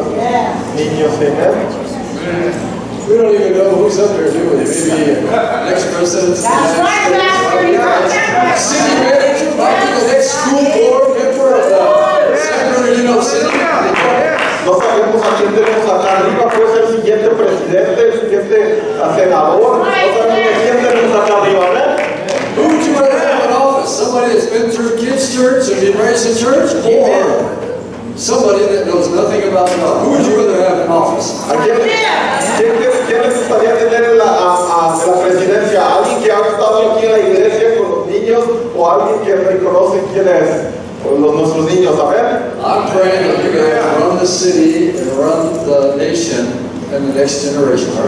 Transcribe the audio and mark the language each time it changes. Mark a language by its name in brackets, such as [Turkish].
[English] We don't even know who's up there, do we? Maybe next person. That's right, Pastor. City manager, might be the next school board member of the Sacramento, you know, city. [Spanish] No sabemos a quién tenemos acá arriba, puede ser el siguiente presidente, el siguiente senador. No sabemos a quién tenemos acá arriba, ¿verdad? [English] Who would you rather have in office? Somebody that's been through kids' church or been raised in church? Or somebody that knows nothing about God? Who would you rather have in office? [Spanish] ¿A quién le gustaría tener en la presidencia? ¿Alguien que ha estado aquí en la iglesia con los niños? ¿O alguien que reconoce quién es? Nuestros niños, a ver. [English] I'm praying that you're going to run the city and run the nation and the next generation.